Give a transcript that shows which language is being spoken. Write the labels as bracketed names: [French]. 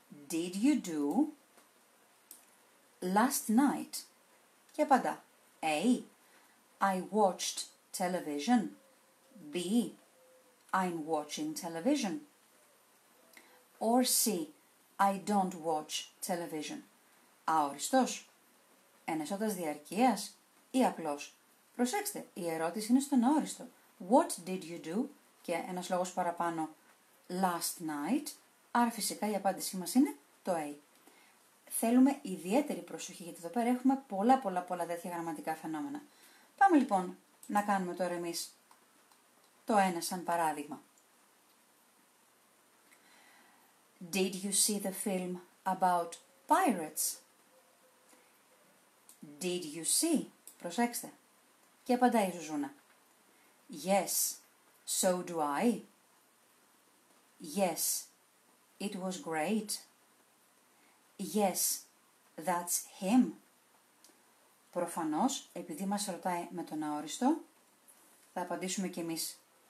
[English] Did you do last night? [Greek] Και απαντά. [English] A. I watched television. B. I'm watching television. Or C. I don't watch television. [Greek] Αοριστός. Ενεσότας διαρκείας ή απλώς. Προσέξτε, η ερώτηση είναι στον αόριστο. [English] What did you do? [Greek] Και ένας λόγος παραπάνω. [English] Last night. [Greek] Άρα φυσικά η απάντησή μας είναι το A. Θέλουμε ιδιαίτερη προσοχή γιατί εδώ πέρα έχουμε πολλά τέτοια γραμματικά φαινόμενα. Πάμε λοιπόν να κάνουμε τώρα εμείς το ένα σαν παράδειγμα. [English] Did you see the film about pirates? Did you see? [Greek] Προσέξτε. Και απαντάει η Ζουζούνα. [English] Yes, so do I. Yes, it was great. Yes, that's him. [Greek] Προφανώς, επειδή μας ρωτάει με τον αόριστο, θα απαντήσουμε κι εμείς.